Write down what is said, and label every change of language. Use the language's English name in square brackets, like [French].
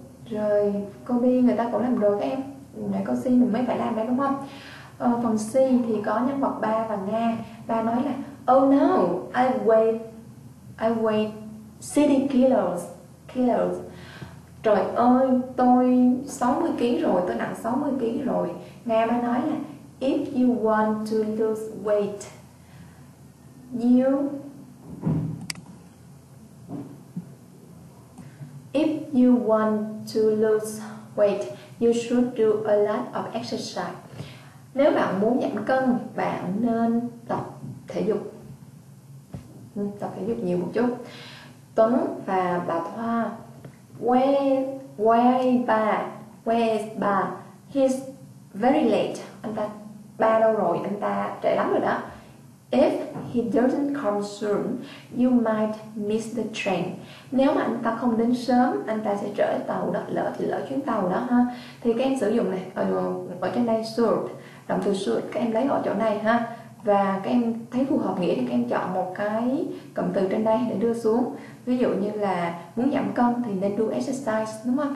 [Vietnamese] Rồi cô B người ta cũng làm rồi các em, để cô C mình mới phải làm đây đúng không? Phần C thì có nhân vật ba và Nga. Ba nói là [English] oh no, I weigh 60 kilos. [Vietnamese] Trời ơi, tôi 60 kg rồi, tôi nặng 60 kg rồi. Nga mới nói là [English] if you want to lose weight, if you want to lose weight, you should do a lot of exercise. [Vietnamese] Nếu bạn muốn giảm cân, bạn nên tập thể dục nhiều một chút. Tuấn và bà Thoa. [English] Where is bà? He's very late. [Vietnamese] Anh ta ba đâu rồi? Anh ta trễ lắm rồi đó. [English] If he doesn't come soon, you might miss the train. [Vietnamese] Nếu mà anh ta không đến sớm, anh ta sẽ trễ tàu đó, lỡ thì lỡ chuyến tàu đó ha. Thì các em sử dụng này ở trên đây should, động từ should các em lấy ở chỗ này ha. Và các em thấy phù hợp nghĩa thì các em chọn một cái cụm từ trên đây để đưa xuống. Ví dụ như là muốn giảm cân thì nên [English] do exercise [Vietnamese] đúng không?